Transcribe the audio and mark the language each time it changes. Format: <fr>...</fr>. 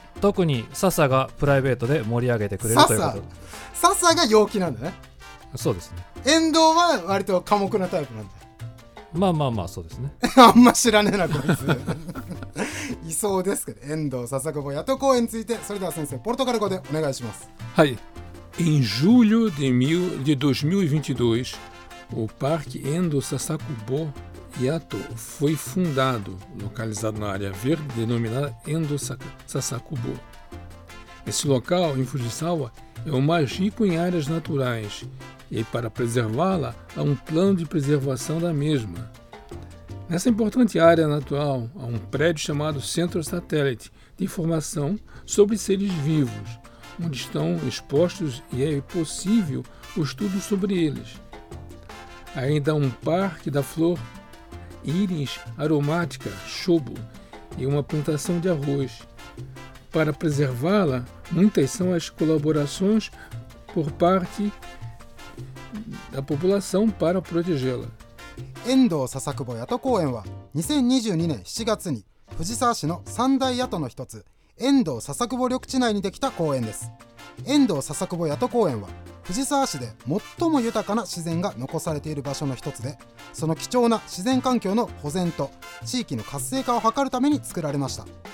<ja>特に笹がプライベートで盛り上げてくれるということ。笹が陽気なんだね。そうですね。遠藤は割と寡黙なタイプなんだ。まあまあまあそうですねあんま知らねえなこいついそうですけど、遠藤笹久保谷戸公園について、それでは先生ポルトガル語でお願いします。はい。</ja> <pt>Em julho de 2022, o Parque Endo Sasakubo Yato foi fundado, localizado na área verde denominada Endo Sasakubo. Esse local em Fujisawa é o mais rico em áreas naturais. E para preservá-la, há um plano de preservação da mesma. Nessa importante área natural, há um prédio chamado Centro Satélite de Informação sobre Seres Vivos, onde estão expostos e é possível o estudo sobre eles. Ainda há um parque da flor íris aromática, chobo, e uma plantação de arroz. Para preservá-la, muitas são as colaborações por parte... だ população para protegê-la。</pt> <ja>遠藤笹久保谷戸公園は2022年7月に藤沢市の三大谷戸の一つ遠藤笹久保緑地内にできた公園です。遠藤笹久保谷戸公園は藤沢市で最も豊かな自然が残されている場所の一つで、その貴重な自然環境の保全と地域の活性化を図るために作られました。</ja>